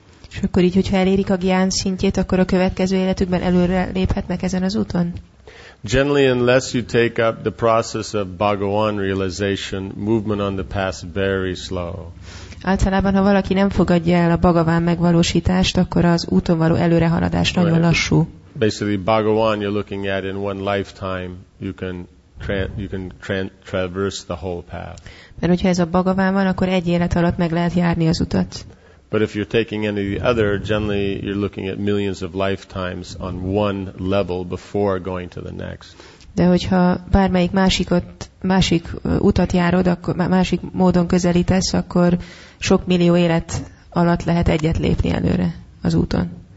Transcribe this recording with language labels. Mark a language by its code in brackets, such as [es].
[hu] És akkor így, hogyha elérik a gyán szintjét, akkor a következő életükben előre léphetnek ezen az úton? [en] Generally, unless you take up the process of Bhagavan realization, movement on the path very slow. [hu] Általában, ha valaki nem fogadja el a Bhagavan megvalósítást, akkor az úton való előrehaladás nagyon lassú. [en] Basically, Bhagavan you're looking at in one lifetime, you can traverse the whole path. [hu] Mert hogyha ez a Bhagavan van, akkor egy élet alatt meg lehet járni az utat. [en] But if you're taking any other, generally you're looking at millions of lifetimes on one level before going to the next. [hu] De hogyha bármelyik másik utat járod, akkor másik módon közelítesz, akkor sok millió élet alatt lehet egyet lépni előre az úton.